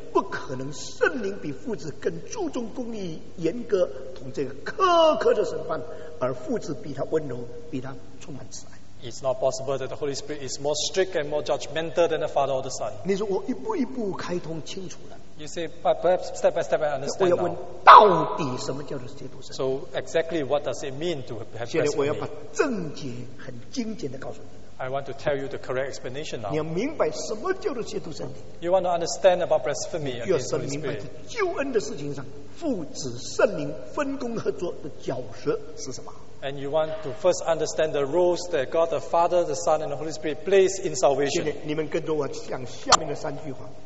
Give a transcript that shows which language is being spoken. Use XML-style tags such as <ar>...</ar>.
<zh>不可能圣灵比父子更注重公义、严格，同这个苛刻的审判。而父子比他温柔，比他充满慈爱。</zh> <en>It's not possible that the Holy Spirit is more strict and more judgmental than the Father or the Son.</en> <zh>你说我一步一步开通清楚了。</zh> <en>You say, but perhaps step by step I understand.</en> <zh>我要问到底什么叫做基督教？</zh> <en>So exactly, what does it mean to have Christ?</en> <zh>现在我要把正解很精简的告诉你。</zh> <en>I want to tell you the correct explanation now.</en> <zh>你要明白什么叫做基督教？</zh> <en>You want to understand about blasphemy against the Holy Spirit.</en> <zh>要明白救恩的事情上。父子圣灵分工合作的角色是什么？</zh> <en>And you want to first understand the roles that God the Father, the Son, and the Holy Spirit plays in salvation.</en> <zh>现在你们跟着我讲下面的三句话。</zh>